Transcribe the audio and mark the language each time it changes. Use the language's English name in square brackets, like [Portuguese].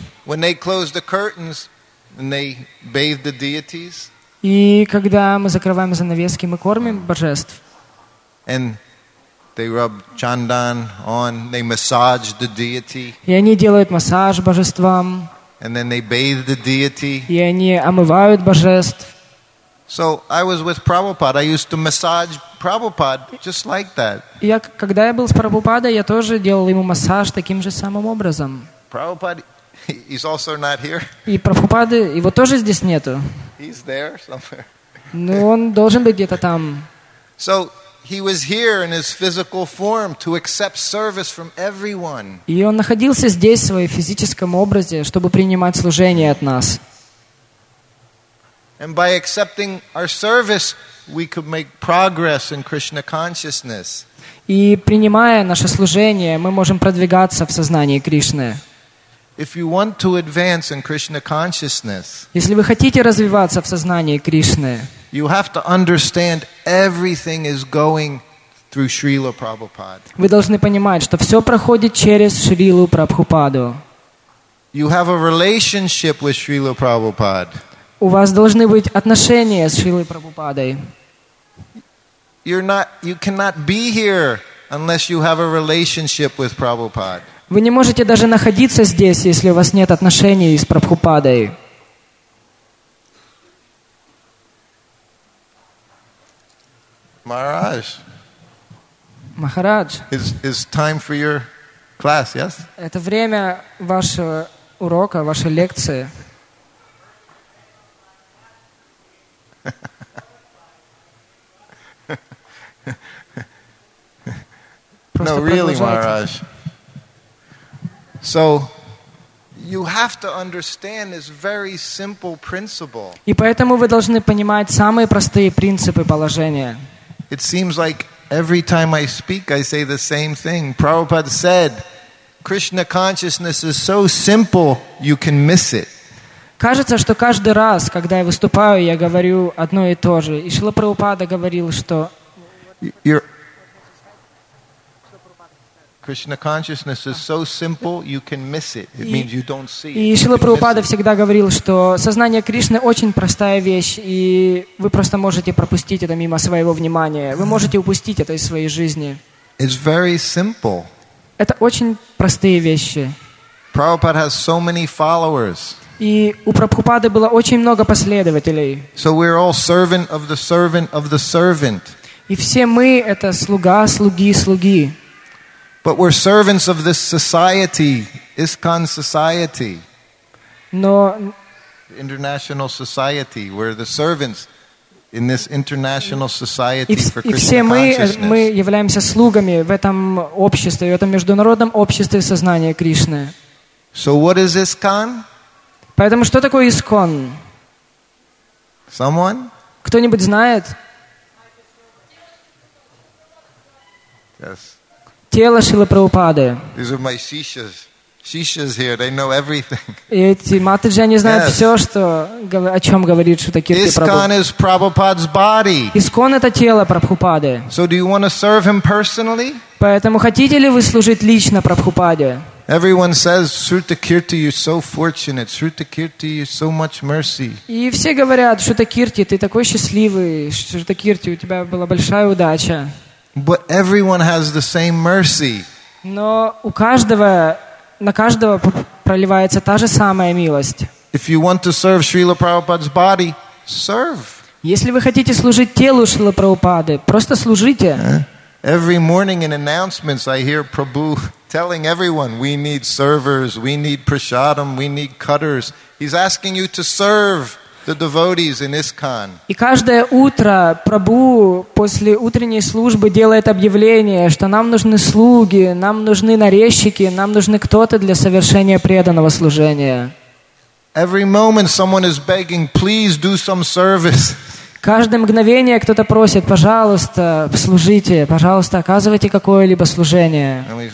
[English] When they closed the curtains and they bathed the deities. [Russian] И когда мы закрываем занавески, мы кормим божеств. [English] And they rub chandan on, they massage the deity. [Russian] И они делают массаж божествам. [English] And then they bathe the deity. [Russian] И они омывают божеств. [English] So I was with Prabhupada. I used to massage Prabhupada just like that. [Russian] Я когда я был с Прабхупадой, я тоже делал ему массаж таким же самым образом. [English] Prabhupada, he's also not here. [Russian] И Прабхупады его тоже здесь нету. [English] He's there somewhere. [Russian] Но он должен быть где-то там. [English] So he was here in his physical form to accept service from everyone. [Russian] И он находился здесь в своем физическом образе, чтобы принимать служение от нас. [English] And by accepting our service, we could make progress in Krishna consciousness. [Russian] И принимая наше служение, мы можем продвигаться в сознании Кришны. [English] If you want to advance in Krishna consciousness, [Russian] если вы хотите развиваться в сознании Кришны, [English] You have to understand everything is going through Srila Prabhupada. [Russian] Вы должны понимать, что все проходит через Шрилу Прабхупаду. [English] You have a relationship with Srila Prabhupada. [Russian] У вас должны быть отношения с Шрилой Прабхупадой. [English] You're not, you cannot be here unless you have a relationship with Prabhupada. [Russian] Вы не можете даже находиться здесь, если у вас нет отношений с Прабхупадой. [English] Maharaj. Maharaj. It's time for your class, yes? [Russian] Это время вашего урока, вашей лекции. [English] No, really, Maharaj. So you have to understand this very simple principle. [Russian] И поэтому вы должны понимать самые простые принципы положения. [English] It seems like every time I speak, I say the same thing. Prabhupada said, Krishna consciousness is so simple, you can miss it. [Russian] Кажется, что каждый раз, когда я выступаю, я говорю одно и то же. И Шрила Прабхупада говорил, что... [English] Krishna consciousness is so simple, you can miss it. It means you don't see it. [Russian] И Шрила Прабхупада всегда говорил, что сознание Кришны очень простая вещь, и вы просто можете пропустить это мимо своего внимания. Вы можете упустить это из своей жизни. [English] It's very simple. [Russian] Это очень простые вещи. [English] Prabhupada has so many followers. [Russian] И у Прабхупады было очень много последователей. [English] So we're all servant of the servant of the servant. [Russian] И все мы это слуга, слуги, слуги. [English] But we're servants of this society, ISKCON society. [Russian] Но [English] the international society, we're the servants in this international society for Krishna consciousness. [Russian] И все мы являемся слугами в этом обществе, в этом международном обществе сознания Кришны. [English] So what is ISKCON? [Russian] Поэтому что такое ИСКОН? [English] Someone? [Russian] Кто-нибудь знает? [English] Yes. [Russian] Тело Шрилы Прабхупады. [English] These are my shishas. Shishas here, they know everything. [Russian] И эти матаджи, они знают все, что, о чем говорит Шрила Кирти Прабху. [English] ИСКОН is Prabhupada's body. [Russian] ИСКОН это тело Прабхупады. [English] So do you want to serve him personally? [Russian] Поэтому хотите ли вы служить лично Прабхупаде? [English] Everyone says, Shruta Kirti, you're so fortunate. Shruta Kirti, you're so much mercy. [Russian] И все говорят, Shruta Kirti, ты такой счастливый. Shruta Kirti, у тебя была большая удача. [English] But everyone has the same mercy. [Russian] Но у каждого, на каждого проливается та же самая милость. [English] If you want to serve Srila Prabhupada's body, serve. [Russian] Если вы хотите служить телу Шрилы Прабхупады, просто служите. [English] Every morning in announcements I hear Prabhu telling everyone, we need servers, we need prasadam, we need cutters. He's asking you to serve the devotees in ISKCON. [Russian] И каждое утро Прабху после утренней службы делает объявление, что нам нужны слуги, нам нужны нарезчики, нам нужны кто-то для совершения преданного служения. [English] Every moment someone is begging, please do some service. [Russian] Каждое мгновение кто-то просит, пожалуйста, служите, пожалуйста, оказывайте какое-либо служение.